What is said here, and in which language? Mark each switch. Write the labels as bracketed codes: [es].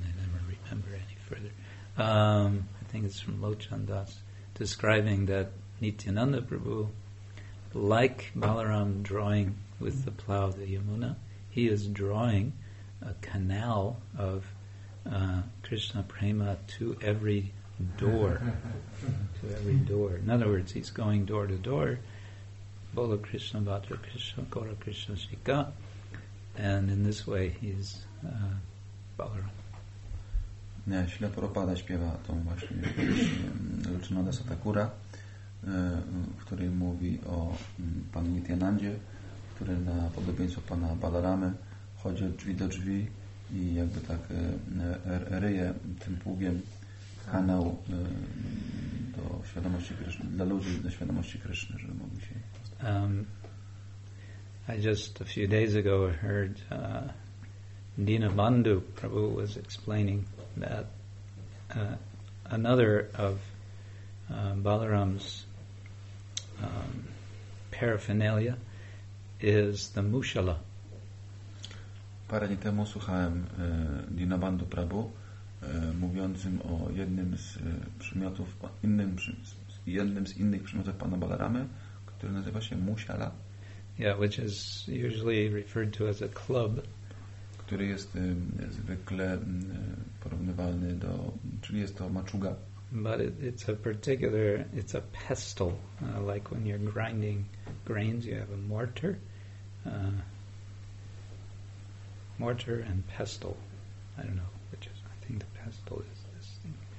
[en] I never remember any further. I think it's from Lochan Das, describing that Nityananda Prabhu, like Balaram drawing with the plow the Yamuna, he is drawing a canal of Krishna Prema to every door. To every door. In other words, he's going door to door, Bola Krishna, Bhadra Krishna, Gora Krishna, Shika, and in this way he's Balaram. [pl] Nie, Śrīla Prabhupāda śpiewa tą właśnie Lochanāda Satakura, w której mówi o panu Nityanandzie, który na podobieństwo pana Balaramy chodzi od drzwi do drzwi i jakby tak ryje tym pługiem kanał do świadomości Kryszny, dla ludzi do świadomości Kryszny, żeby mogli się. [en] I just a few days ago heard Dinabandhu Prabhu was explaining that another of Balaram's paraphernalia is the mushala. [pl] Parę dni temu słuchałem Dinabandhu Prabhu mówiącym o jednym z przymiotów, jednym z innych przymiotów pana Balaramy, który nazywa się mushala. [en] Yeah, which is usually referred to as a club. [pl] Który jest zwykle porównywalny do, czyli jest to maczuga. [en] But it's a particular, it's a pestle, like when you're grinding grains, you have a mortar, mortar and pestle. I don't know which is. I think the pestle is this thing.